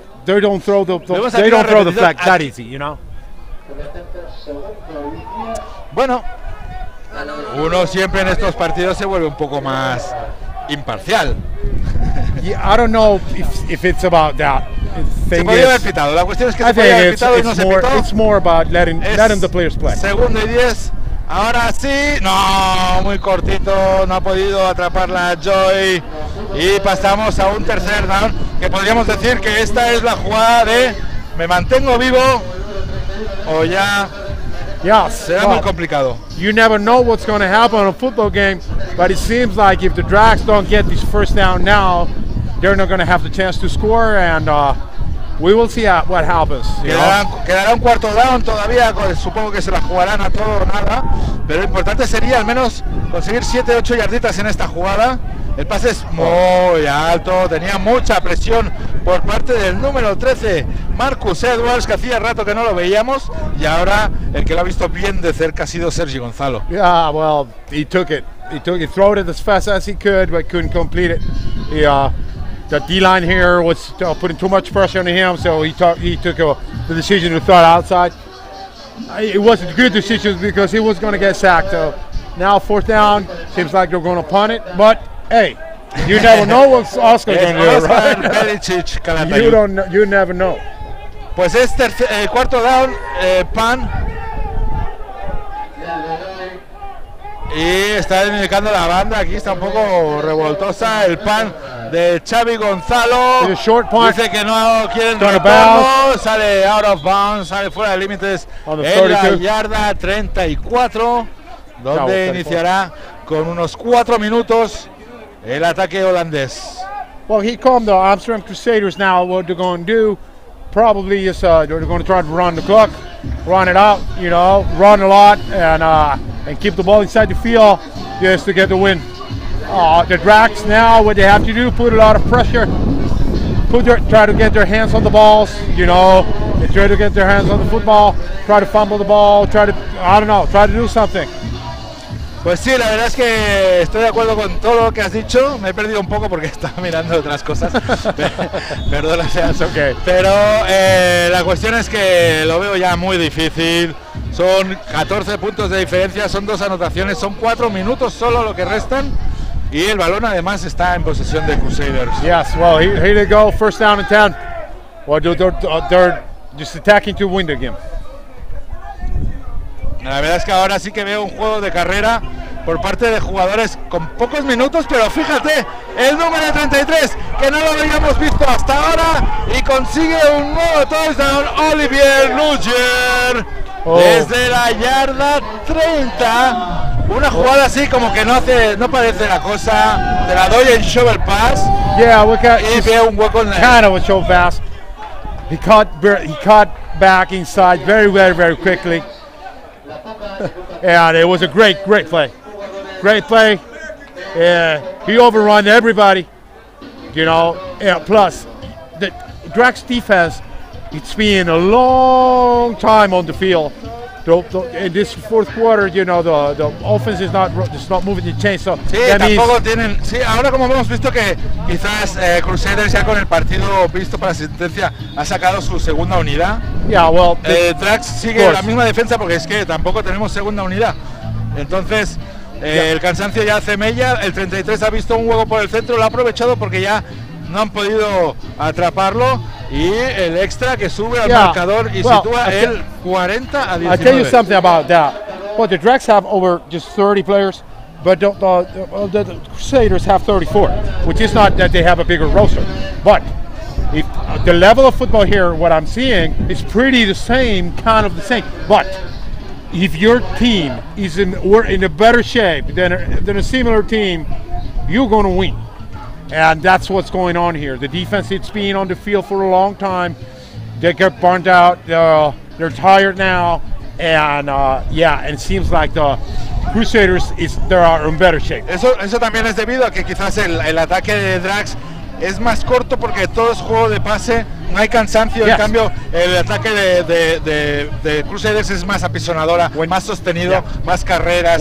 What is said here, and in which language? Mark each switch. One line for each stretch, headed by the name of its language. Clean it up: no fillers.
English: They don't throw the flag that easy, you know?
Spanish: Bueno, uno siempre en estos partidos se vuelve un poco más imparcial.
English: Yeah, I don't know if it's about that.
Spanish: Se podría haber pitado. La cuestión es que se podría haber pitado y no se pitó.
English: It's more about letting the players play.
Spanish: Segundo y 10. Ahora sí. No, muy cortito. No ha podido atraparla Joy. Y pasamos a un tercer down. Que podríamos decir que esta es la jugada de me mantengo vivo o ya.
English: Yes,
Spanish: será muy complicado.
English: You never know what's going to happen in a football game, but it seems like if the Drags don't get this first down now, they're not going to have the chance to score, and we will see what happens.
Spanish: Quedará un cuarto down todavía, supongo que se la jugarán a todo o nada, pero lo importante sería al menos conseguir 7-8 yarditas en esta jugada. El pase es muy alto, tenía mucha presión por parte del número 13, Marcus Edwards, que hacía rato que no lo veíamos, y ahora el que lo ha visto bien de cerca ha sido Sergi Gonzalo.
English: Yeah, well, he threw it as fast as he could, but couldn't complete it. The D-line here was putting too much pressure on him, so he took the decision to throw it outside. It wasn't a good decision because he was going to get sacked, so now fourth down, seems like they're going to punt it, but hey, you never know what's Oscar going to do, right? You never know.
Spanish: Pues este cuarto down, pan. Y está indicando la banda. Aquí está un poco revoltosa el pan de Xavi Gonzalo.
English: Short punt.
Spanish: Dice que no quieren retorno. Sale
English: out of bounds,
Spanish: sale fuera de límites. En la yarda 34, donde iniciará con unos 4 minutos. El ataque holandés.
English: Well, he called the Amsterdam Crusaders. Now, what they're going to do? probably just they're going to try to run the clock, run it out, you know, run a lot and keep the ball inside the field just to get the win. The Drax now, what they have to do, put a lot of pressure, try to get their hands on the balls, you know, they try to get their hands on the football, try to fumble the ball, try to do something.
Spanish: Pues sí, la verdad es que estoy de acuerdo con todo lo que has dicho. Me he perdido un poco porque estaba mirando otras cosas. Perdona, seas ok. Pero la cuestión es que lo veo ya muy difícil. Son 14 puntos de diferencia, son dos anotaciones, son 4 minutos solo lo que restan. Y el balón además está en posesión de Crusaders.
English: Yes, well, here they go, first down and 10. Well, they're just attacking to win the game.
Spanish: La verdad es que ahora sí que veo un juego de carrera por parte de jugadores con pocos minutos, pero fíjate, el número 33, que no lo habíamos visto hasta ahora, y consigue un nuevo touchdown, Olivier Luger, desde la yarda 30. Una jugada así como que no parece la cosa, te la doy en shovel pass.
English: Yeah, we got,
Spanish: y veo un hueco en
English: el... Kind of a shovel pass. He caught back inside very, very, very quickly. And it was a great, great play. Great play. Yeah, he overrun everybody. You know, yeah, plus, the Drax defense, it's been a long time on the field. In this fourth quarter, you know, the offense is not moving the chain. So sí, that tampoco means tienen.
Spanish: Sí, ahora como hemos visto que quizás Crusaders ya con el partido visto para asistencia ha sacado su segunda unidad.
English: Yeah, well,
Spanish: Drax sigue la misma defensa porque es que tampoco tenemos segunda unidad. Entonces el cansancio ya hace mella. El 33 ha visto un hueco por el centro, lo ha aprovechado porque ya no han podido atraparlo. Y el extra que sube al marcador y sitúa el 40 a 19.
English: I'll tell you something about that. Well, the Drax have over just 30 players, but the Crusaders have 34, which is not that they have a bigger roster. But if the level of football here, what I'm seeing, is pretty the same, kind of the same. But if your team is in a better shape than a similar team, you're going to win. And that's what's going on here. The defense, it's been on the field for a long time. They get burned out. They're tired now. And and it seems like the Crusaders are in better shape.
Spanish: Eso también es debido a que quizás el ataque de Drax es más corto porque todo es juego de pase. No hay cansancio. Yes. En cambio, el ataque de Crusaders es más apisonadora, más sostenido, más carreras.